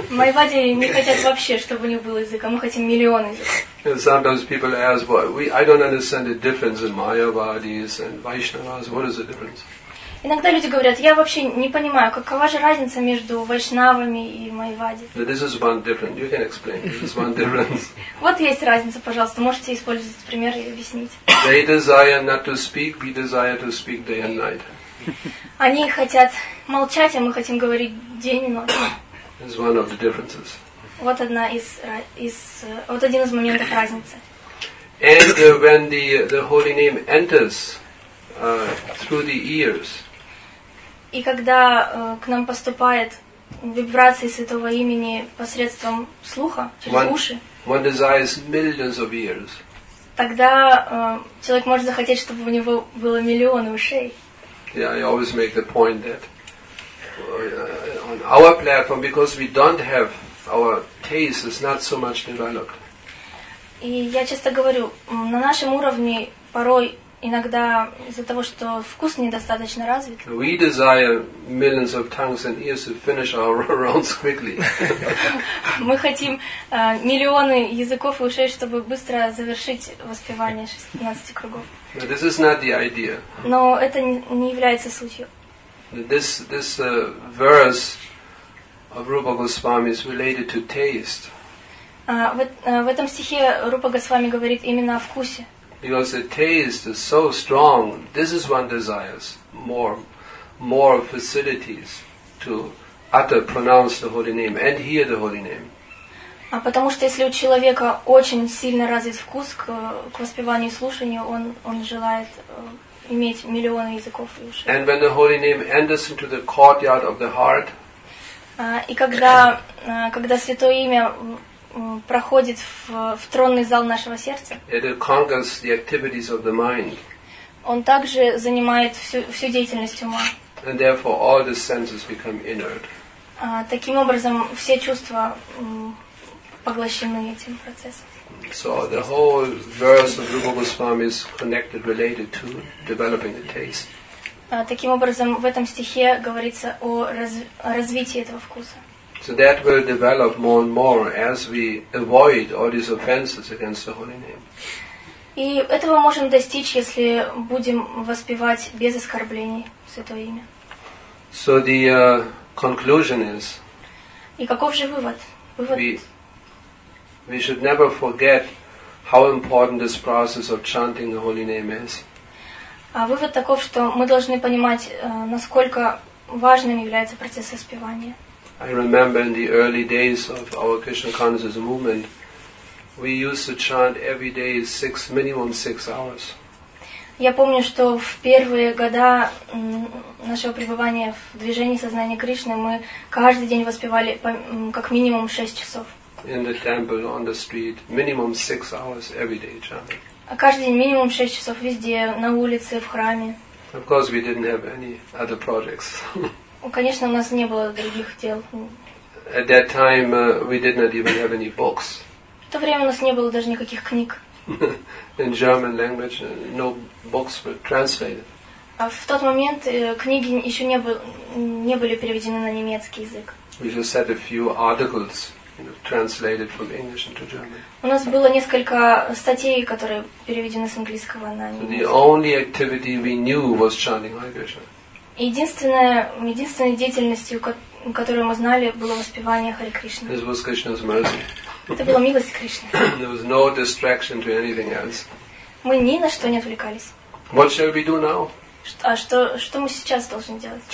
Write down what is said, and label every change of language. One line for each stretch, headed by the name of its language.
Russian: Майвади не хотят вообще, чтобы у них был язык, а мы хотим миллион языков.
English: And sometimes people ask, I don't understand the difference in Mayavadis and Vaishnavas. What is the difference?
Russian: Иногда люди говорят, я вообще не понимаю, какова же разница между вайшнавами и майвади.
English: This is one difference. You can explain. This is one difference.
Russian: Вот есть разница, пожалуйста. Можете использовать пример и объяснить.
English: They desire not to speak, we desire to speak day and night.
Russian: Они хотят молчать, а мы хотим говорить день и ночь.
English: This is one of the differences.
Russian: Вот одна из вот один из моментов разницы.
English: And when the holy name enters through the ears.
Russian: И когда к нам поступает вибрации святого имени посредством слуха, через уши.
English: One desires millions of ears.
Russian: Тогда человек может захотеть, чтобы у него было миллионы ушей.
English: Yeah, I always make the point that on our platform, because we don't have our taste is not so much developed.
Russian: И я часто говорю, на нашем уровне порой иногда из-за того, что вкус недостаточно развит.
English: We desire millions of tongues and ears to finish our rounds quickly.
Russian: Мы хотим миллионы языков и ушей, чтобы быстро завершить воспевание 16 кругов.
English: But this is not the idea.
Russian: Но это не является сутью.
English: This verse of Rupa Goswami is related to taste.
Russian: В этом стихе Рупа Госвами говорит именно о вкусе.
English: Because the taste is so strong, this is one desires more facilities to utter, pronounce the holy name and hear the holy name.
Russian: А потому что если у человека очень сильно развит вкус к воспеванию и слушанию, он желает иметь миллионы языков и ушей.
English: And when the holy name enters into the courtyard of the heart.
Russian: И когда святое имя проходит в тронный зал нашего сердца.
English: It conquers the activities of the mind.
Russian: Он также занимает всю деятельность ума.
English: And therefore all the senses become inert.
Russian: Таким образом, все чувства поглощены этим процессом.
English: So the whole verse of Rupa Goswami is connected, related to developing the taste.
Russian: Таким образом, в этом стихе говорится о развитии этого вкуса.
English: So that will develop more and more as we avoid all these offenses against the holy name.
Russian: И этого можем достичь, если будем воспевать без оскорблений святое имя.
English: So the conclusion is.
Russian: И каков же вывод?
English: We should never forget how important this process of chanting the holy name is.
Russian: А вывод таков, что мы должны понимать, насколько важным является процесс воспевания.
English: I remember in the early days of our Krishna consciousness movement, we used to chant every day minimum six hours.
Russian: Я помню, что в первые года нашего пребывания в движении сознания Кришны мы каждый день воспевали как минимум 6 часов.
English: In the temple, on the street, minimum 6 hours every day chanting.
Russian: А каждый день минимум 6 часов везде, на улице, в храме.
English: Of course, we didn't have any other projects.
Russian: Конечно, у нас не было других дел.
English: At that time, we did not even have any books.
Russian: В то время у нас не было даже никаких книг.
English: In German language, no books were translated.
Russian: А в тот момент книги еще не были переведены на немецкий язык.
English: We just had a few articles translated from English into German.
Russian: У нас было несколько статей, которые переведены с английского на немецкий.
English: The only activity we knew was chanting Hare Krishna.
Russian: Единственной деятельностью, которую мы знали, было воспевание Харе Кришны.
English: This was Krishna's mercy.
Russian: Это была милость Кришны.
English: There was no distraction to anything else.
Russian: Мы ни на что не отвлекались.
English: What shall we do now?
Russian: А что мы сейчас должны делать?